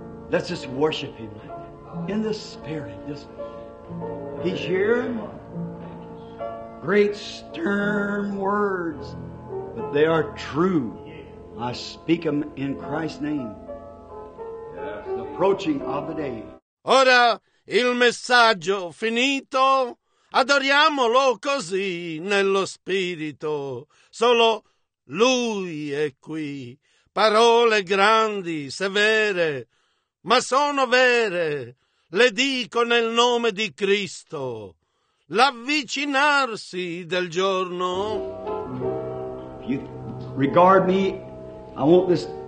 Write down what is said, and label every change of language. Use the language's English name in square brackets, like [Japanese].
[English] Let's just worship him in the spirit. Just he's here. Great stern words, but they are true. I speak them in Christ's name. The approaching of the day. [Italian] Ora il messaggio finito. Adoriamolo così nello spirito. Solo Lui è qui. Parole grandi, severe, ma sono vere. Le dico nel nome di Cristo. L'avvicinarsi del giorno. [English] If you regard me, I want this.